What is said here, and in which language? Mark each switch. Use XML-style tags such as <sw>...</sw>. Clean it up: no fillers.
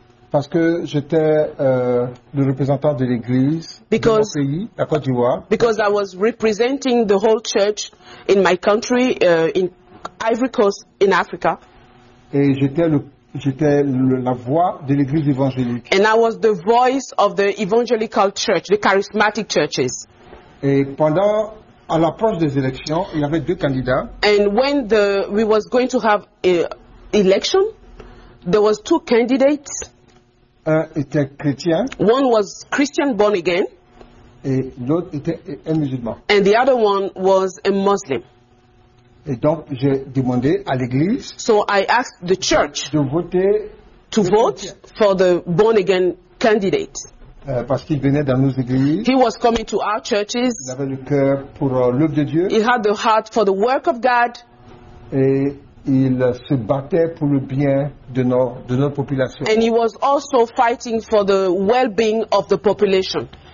<fr>Parce que j'étais le représentant de l'Église de mon pays, la Côte d'Ivoire.</fr> <en>Because I was representing the whole church in my country, in Ivory Coast, in Africa.</en> <fr>Et j'étais la voix de l'Église évangélique.</fr> <en>And I was the voice of the evangelical church, the charismatic churches.</en> <fr>Et pendant, à l'approche des élections, il y avait deux candidats.</fr> <en>And when we was going to have an election, there was two candidates.</en> <fr>Un était chrétien.</fr> <en>One was Christian, born again.</en> <fr>Et l'autre était un musulman.</fr> <en>And the other one was a Muslim.</en> <fr>Et donc, j'ai demandé à l'église.</fr> <en>So I asked the church</en> <fr>de voter</fr> <en>to vote chrétien for the born again candidate.</en> <fr>Parce qu'il venait dans nos églises.</fr> <en>He was coming to our churches.</en> <fr>Il avait le cœur pour l'œuvre de Dieu.</fr> <en>He had the heart for the work of God.</en> <fr>Et il se battait pour le bien de notre population.</fr> <en>And he was also fighting for the well-being of the population.</en>